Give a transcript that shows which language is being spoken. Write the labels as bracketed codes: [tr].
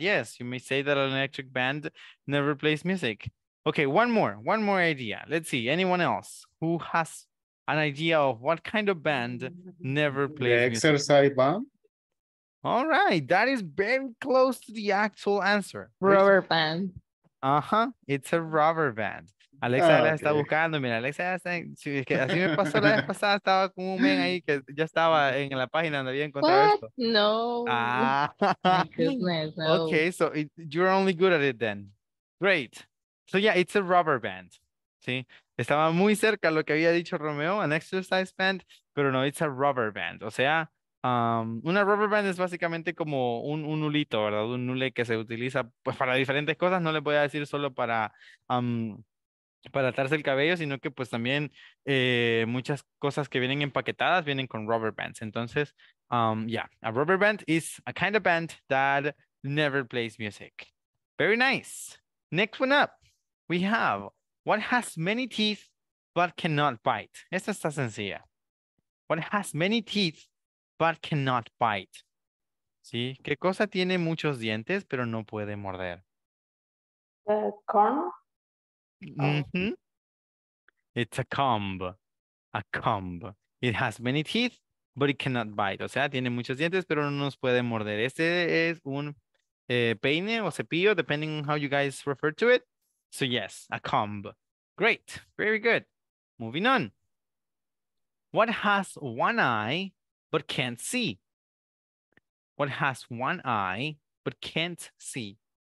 [en] Yes, you may say that an electric band never plays music. Okay, one more idea. Let's see, anyone else who has an idea of what kind of band never plays music? Exercise band. All right, that is very close to the actual answer. Rubber band. Uh-huh, it's a rubber band. [es] Alexa la está buscando, mira, Alexa ya está, es que así me pasó la vez pasada, estaba con un men ahí que ya estaba en la página donde había encontrado [en] what? [es] Esto. No. [en] Ah. Goodness, no. Okay, so you're only good at it then. Great. So yeah, it's a rubber band. [es] ¿Sí? Estaba muy cerca lo que había dicho Romeo, [en] an exercise band, [es] pero no, [en] it's a rubber band. [es] O sea, una rubber band es básicamente como un hulito, ¿verdad? Un hule que se utiliza pues para diferentes cosas, no le voy a decir solo para atarse el cabello, sino que pues también muchas cosas que vienen empaquetadas vienen con rubber bands. [en] Entonces, a rubber band is a kind of band that never plays music. Very nice. Next one up, we have what has many teeth but cannot bite. [es] Esta está sencilla. [en] What has many teeth but cannot bite. ¿Sí? [es] ¿Qué cosa tiene muchos dientes pero no puede morder? [en] The corn. Mm-hmm. It's a comb. A comb. It has many teeth, but it cannot bite. [es] O sea, tiene muchos dientes, pero no nos puede morder. Este es un peine o cepillo, [en] depending on how you guys refer to it. So yes, a comb. Great. Very good. Moving on. What has one eye, but can't see? What has one eye, but can't see?